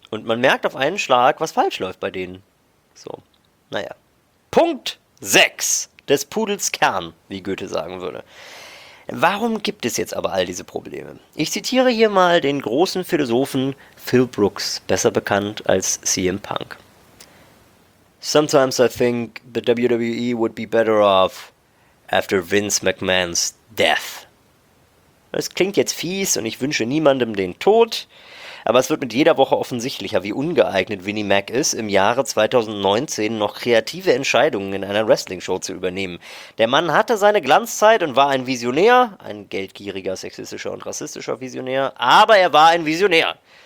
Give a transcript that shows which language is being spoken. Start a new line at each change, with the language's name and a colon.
German: Und man merkt auf einen Schlag, was falsch läuft bei denen. So, naja. Punkt 6 des Pudels Kern, wie Goethe sagen würde. Warum gibt es jetzt aber all diese Probleme? Ich zitiere hier mal den großen Philosophen Phil Brooks, besser bekannt als CM Punk.
English: Sometimes I think the WWE would be better off after Vince McMahon's death.
German: Es klingt jetzt fies und ich wünsche niemandem den Tod, aber es wird mit jeder Woche offensichtlicher, wie ungeeignet Vinnie Mac ist, im Jahre 2019 noch kreative Entscheidungen in einer Wrestling-Show zu übernehmen. Der Mann hatte seine Glanzzeit und war ein Visionär, ein geldgieriger, sexistischer und rassistischer Visionär, aber er war ein Visionär.